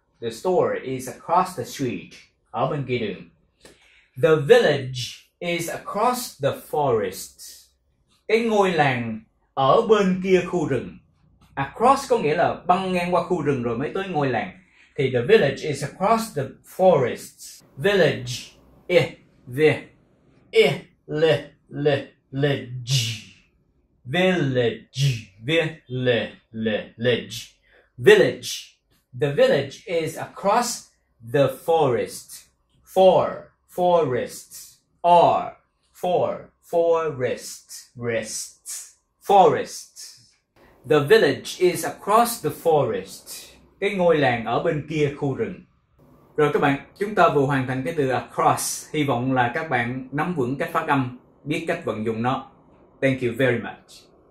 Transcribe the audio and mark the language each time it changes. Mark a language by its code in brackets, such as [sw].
[en] The store is across the street. [vi] Ở bên kia đường. [en] The village is across the forest. [vi] Cái ngôi làng ở bên kia khu rừng. Across có nghĩa là băng ngang qua khu rừng rồi mới tới ngôi làng. [en] Thì the village is across the forests. Village. I. Vi. I. Li. Li. Lidge. Village. Vi. Li. Li. Lidge. Village. The village is across the forest. For. Forests. Or. For. Forests. Rests. Forests. The village is across the forest. [vi] Cái ngôi làng ở bên kia khu rừng. Rồi các bạn, chúng ta vừa hoàn thành cái từ across. Hy vọng là các bạn nắm vững cách phát âm, biết cách vận dụng nó. [en] Thank you very much.